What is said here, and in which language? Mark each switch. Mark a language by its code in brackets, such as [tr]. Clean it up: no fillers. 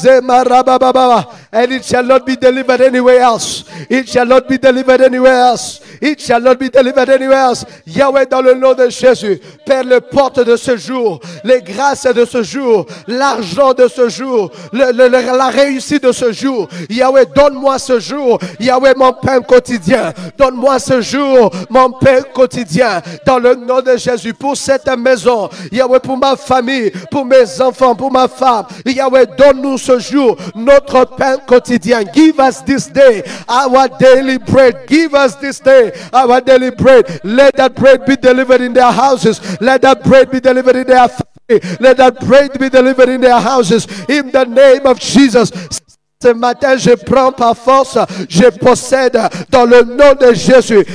[en] And it shall not be delivered anywhere else. It shall not be delivered anywhere else. It shall not be delivered anywhere else. [fr] Yahweh, dans le nom de Jésus, Père, les portes de ce jour, les grâces de ce jour, l'argent de ce jour, la réussite de ce jour. Yahweh, donne-moi ce jour. Yahweh, mon pain quotidien. Donne-moi ce jour, mon pain quotidien. Dans le nom de Jésus, pour cette maison. Yahweh, pour ma famille, pour mes enfants, pour ma femme. Yahweh, donne-nous ce jour notre pain quotidien. [en] Give us this day our daily bread. Give us this day our daily bread. Let that bread be delivered in their houses. Let that bread be delivered in their family. Let that bread be delivered in their houses. In the name of Jesus. [fr] Ce matin, je prends par force, je possède dans le nom de Jésus.